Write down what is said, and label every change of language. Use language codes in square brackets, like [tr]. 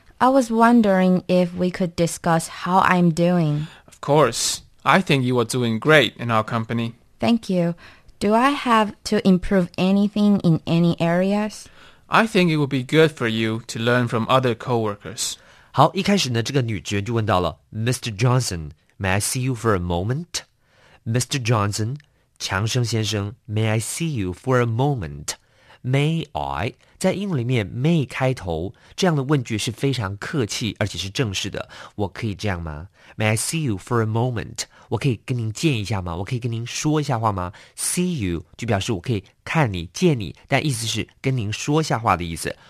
[en] I was wondering if we could discuss how I'm doing. Of course. I think you are doing great in our company. Thank you. Do I have to improve anything in any areas? I think it would be good for you to learn from other coworkers. [zh] 好，一开始呢，这个女职员就问到了 Mr. [en] Johnson, may I see you for a moment? Mr. Johnson,强生先生 ,may I see you for a moment? May I? [zh] 在英文里面 may 开头这样的问句是非常客气而且是正式的。我可以这样吗 ? [en] May I see you for a moment? [zh] 我可以跟您见一下吗？我可以跟您说一下话吗 ?See you 就表示我可以看你见你但意思是跟您说一下话的意思。